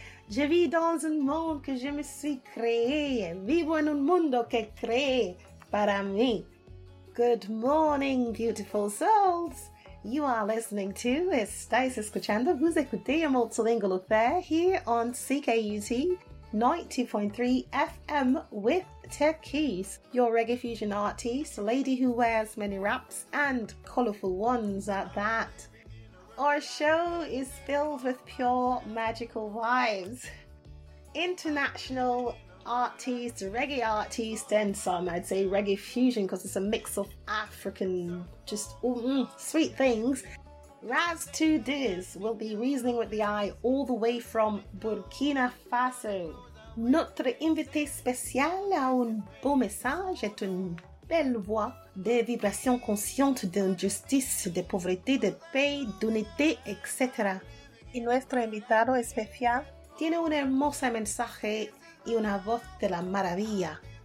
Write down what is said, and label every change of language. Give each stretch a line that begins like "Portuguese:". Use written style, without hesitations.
French: Je vis dans un monde que je me suis créé.
Spanish: Vivo en un mundo que créé para mí.
English: Good morning, beautiful souls. You are listening to
Spanish: Estáis Escuchando.
French: Vous écoutez
English: a Multilingual Affair here on CKUT 90.3 FM with Techies, your reggae fusion artist, lady who wears many wraps and colorful ones at that. Our show is filled with pure magical vibes. International artist, reggae artist, and some I'd say reggae fusion because it's a mix of African, just sweet things. Raz 2 Diz will be reasoning with the eye all the way from Burkina Faso.
French: Notre invité spécial a un beau message et une belle voix des vibrations conscientes d'injustice, de pauvreté, de paix, d'unité, etc.
Spanish: Y nuestro invitado especial tiene un hermoso mensaje y una voz de la maravilla.